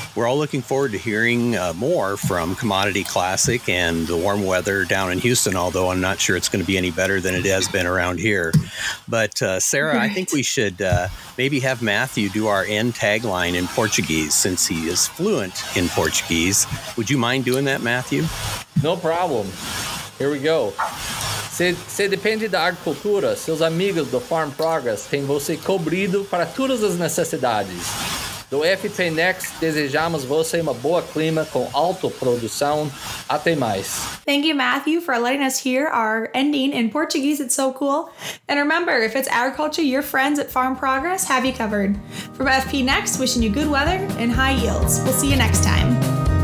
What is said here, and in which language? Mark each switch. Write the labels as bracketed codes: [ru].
[en] We're all looking forward to hearing more from Commodity Classic and the warm weather down in Houston, although I'm not sure it's going to be any better than it has been around here. But Sarah, right. I think we should maybe have Matthew do our end tagline in Portuguese, since he is fluent in Portuguese. Would you mind doing that, Matthew? No problem. Here we go. [pt] Se depende da agricultura, seus amigos do Farm Progress têm você cobrido para todas as necessidades. Do FP Next, desejamos você uma boa clima com alta produção. Até mais. [en] Thank you, Matthew, for letting us hear our ending in Portuguese. It's so cool. And remember, if it's agriculture, your friends at Farm Progress have you covered. From FP Next, wishing you good weather and high yields. We'll see you next time.